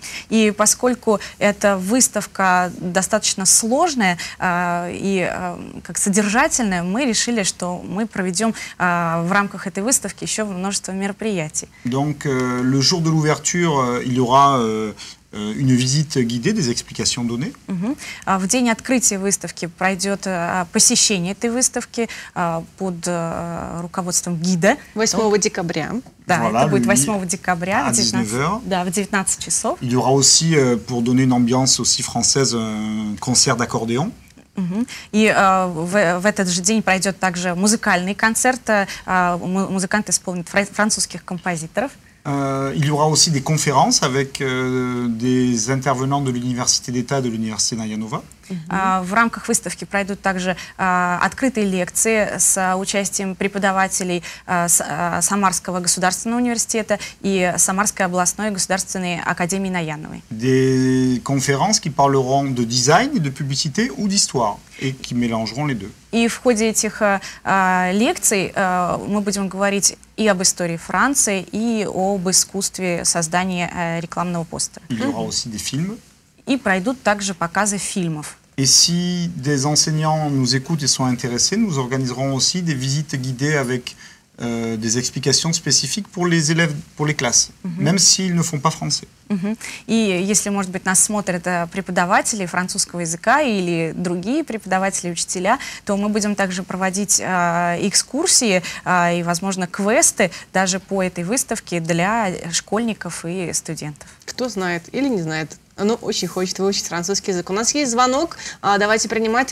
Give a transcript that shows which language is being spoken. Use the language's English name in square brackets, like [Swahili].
[Russian] И поскольку эта выставка достаточно сложная и как содержательная, мы решили, что мы проведем в рамках этой выставки еще множество мероприятий. [French] Donc le jour de l'ouverture, il y aura une visite guidée, des explications données. [Russian] В день открытия выставки пройдет посещение этой выставки под руководством гида. 8 декабря. Да, voilà, это будет 8 декабря [French] à 19, [Russian] да, в 19 часов. [French] Il y aura aussi, pour donner une ambiance aussi française, un concert d'accordéon. [Russian] И в этот же день пройдет также музыкальный концерт. Музыкант исполнит французских композиторов. [French] Il y aura aussi des conférences avec des intervenants de l'Université d'État, de l'Université Nayanova. [Russian] В рамках выставки пройдут также открытые лекции с участием преподавателей Самарского государственного университета и Самарской областной государственной академии Наяновой. [French] Des conférences qui parleront de design, de publicité ou d'histoire et qui mélangeront les deux. [Russian] И в ходе этих лекций мы будем говорить и об истории Франции, и об искусстве создания рекламного постера. [French] Il y aura aussi des films. [Russian] И пройдут также показы фильмов. [French] Et si des enseignants nous écoutent et sont intéressés, nous organiserons aussi des visites guidées avec des explications spécifiques pour les élèves, pour les classes, même s'ils ne font pas français. [Russian] И если, может быть, нас смотрят преподаватели французского языка или другие преподаватели, учителя, то мы будем также проводить экскурсии и, возможно, квесты даже по этой выставке для школьников и студентов. Кто знает или не знает, но очень хочет выучить французский язык. У нас есть звонок, давайте принимать.